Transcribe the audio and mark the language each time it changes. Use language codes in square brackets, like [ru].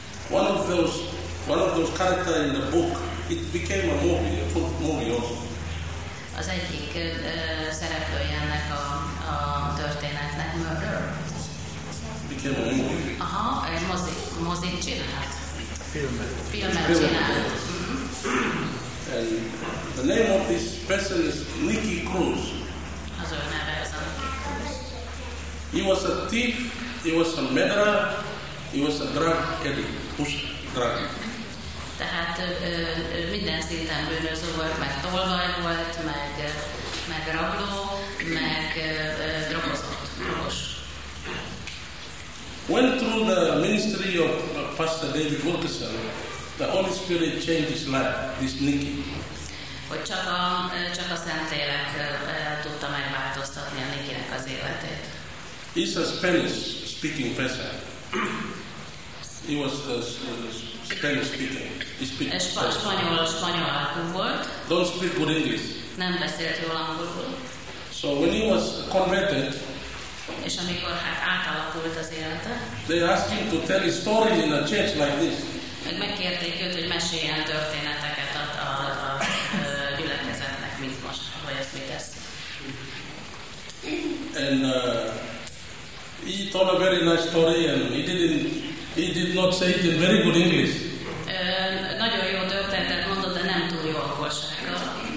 [en] One of those characters in the book, it became a movie, a full movie also. [hu] Az egyik szereplője ennek a történetnek, Murder. [en] Became a movie. [hu] Aha, mozit csinált. Filmet csinált. [en] And the name of this person is Nicky Cruz. [hu] Az ő neve az a Nicky Cruz. [en] He was a thief, he was a murderer, he was a drug addict, pusher. [hu] Tehát minden szinten bűnöző volt, meg tolvaj volt, meg rabló, meg drogozott, drogos. [en] Went through the ministry of Pastor David Wilkerson, the Holy Spirit changed his life, this Nicky. [hu] Hogy csak a Szent Lélek tudta megváltoztatni a Nickynek az életét. [en] He's a Spanish speaking person. He was Spanish speaking. He speaks [hu] Spanyol volt. [en] Don't speak good English. [hu] Nem beszélt jól angolul. [en] So when he was converted, [hu] és amikor átalakult az élete, [en] they asked him to tell his story in a church like this. [hu] Megkérték őt, hogy meséljen történeteket a gyülekezetnek, mint most, hogy ezt mit tesz. [en] And he told a very nice story, and he did not say it in very good English. [hu] Nagyon jó történetet mondott, de nem túl jó angolsággal.